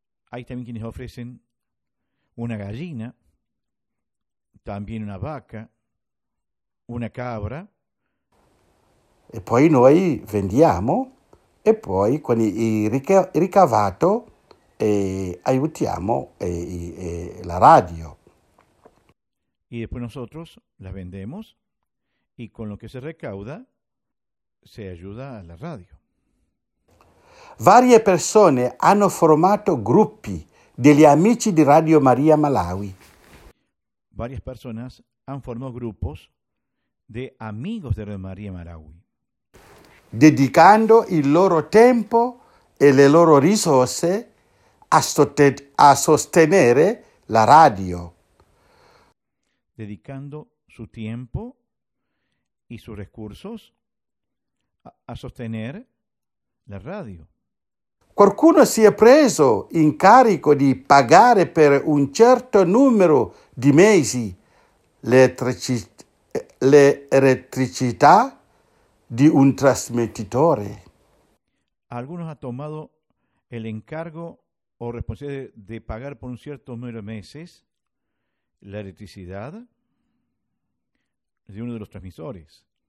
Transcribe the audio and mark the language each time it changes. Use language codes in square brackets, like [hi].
[es] Hay también quienes ofrecen una gallina, también una vaca, una cabra. [it] E poi noi vendiamo e poi con il ricavato aiutiamo la radio. [es] Y después nosotros las vendemos y con lo que se recauda se ayuda a la radio. [it] Varie persone hanno formato gruppi degli amici di Radio Maria Malawi. [es] Varias personas han formado grupos de amigos de Radio María Malawi. [it] Dedicando il loro tempo e le loro risorse a sostenere la radio. [es] Dedicando su tiempo y sus recursos a sostener la radio. [it] Qualcuno si è preso in carico di pagare per un certo numero di mesi l'elettricità di un trasmettitore. [es] Alguno ha tomato el encargo o responsabilidad de pagar por un cierto número de meses la electricidad de uno de los transmisores.